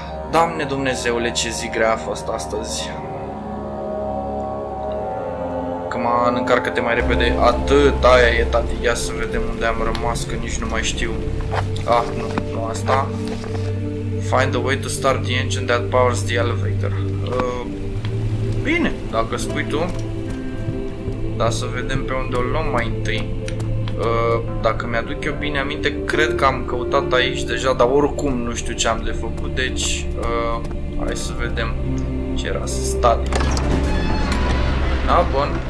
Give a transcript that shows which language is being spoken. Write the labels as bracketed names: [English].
[Romanian] Doamne Dumnezeule, ce zi grea a fost astăzi. Că mă încarcă-te mai repede. Atât, aia e, tati, ia să vedem unde am rămas, că nici nu mai știu. Nu asta. [English] Find a way to start the engine that powers the elevator. [Romanian] Bine, dacă spui tu. Dar să vedem pe unde o luăm mai întâi. Dacă mi-aduc eu bine aminte, cred că am căutat aici deja, dar oricum nu știu ce am de făcut. Deci, hai să vedem ce era să stai. Da, bun.